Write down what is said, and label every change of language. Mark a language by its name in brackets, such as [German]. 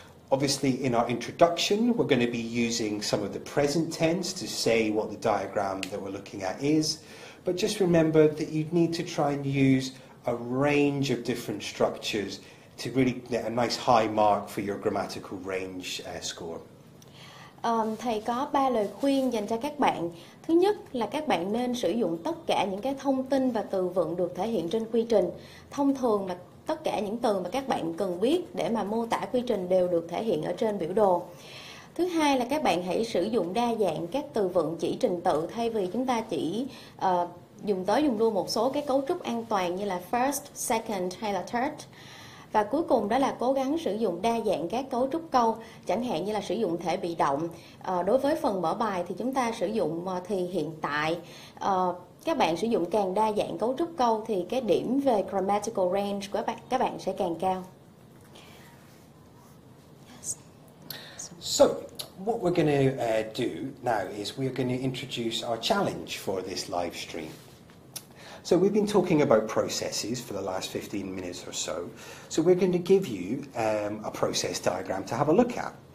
[English] Obviously, in our introduction, we're going to be using some of the present tense to say what the diagram that we're looking at is. But just remember that you need to try and use a range of different structures to really get a nice high mark for your grammatical range score. [Vietnamese] Thầy có 3 lời khuyên dành cho các bạn. Thứ nhất là các bạn nên sử dụng tất cả những cái thông tin và từ vựng được thể hiện trên quy trình. Thông thường là tất cả những từ mà các bạn cần biết để mà mô tả quy trình đều được thể hiện ở trên biểu đồ. Thứ hai là các bạn hãy sử dụng đa dạng các từ vựng chỉ trình tự thay vì chúng ta chỉ dùng tới dùng luôn một số cái cấu trúc an toàn như là first, second hay là third. Và cuối cùng đó là cố gắng sử dụng đa dạng các cấu trúc câu, chẳng hạn như là sử dụng thể bị động. Đối với phần mở bài thì chúng ta sử dụng thì hiện tại. Các bạn sử dụng càng đa dạng cấu trúc câu thì cái điểm về grammatical range của các bạn sẽ càng cao. [English] So, what we're going to do now is we're going to introduce our challenge for this live stream. So we've been talking about processes for the last 15 minutes or so. So we're going to give you a process diagram to have a look at.